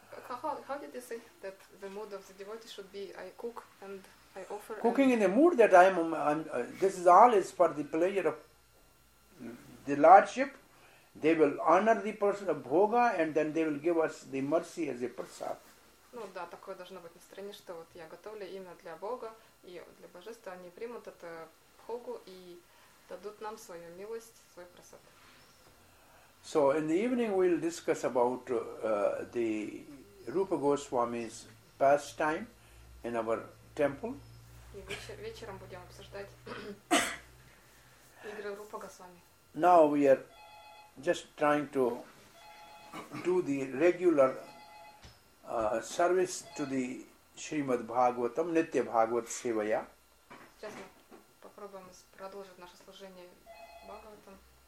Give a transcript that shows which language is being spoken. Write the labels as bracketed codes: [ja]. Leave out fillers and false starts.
[en] How did you say that the mood of the devotee should be, I cook and I offer... Cooking and in a mood that I am... this is all is for the pleasure of the Lordship. They will honor the person of bhoga and then they will give us the mercy as a prasad. [ru] Ну да, такое должно быть настроение, что вот я готовлю именно для Бога и для Божества. Они примут это бхогу и дадут нам свою милость, свой прасад. [en] So in the evening we'll discuss about the Rupa Goswami's pastime in our temple. [ru] И вечером будем обсуждать игры Рупа Госвами. [en] Now we are just trying to do the regular service to the Srimad Bhagavatam, Nitya Bhagavat Sevaya. [ru] Сейчас мы попробуем продолжить наше служение Бхагаватам.